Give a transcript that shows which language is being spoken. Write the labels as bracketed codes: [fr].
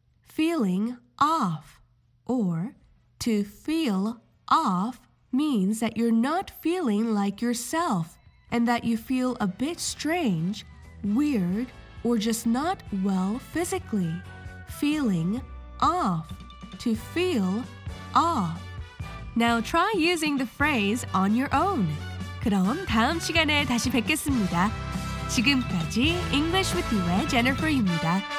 [en] Feeling off, or to feel off, means that you're not feeling like yourself and that you feel a bit strange, weird, or just not well physically. Feeling off, to feel off. Now try using the phrase on your own. [ko] 그럼 다음 시간에 다시 뵙겠습니다. 지금까지 English with You의 Jennifer입니다.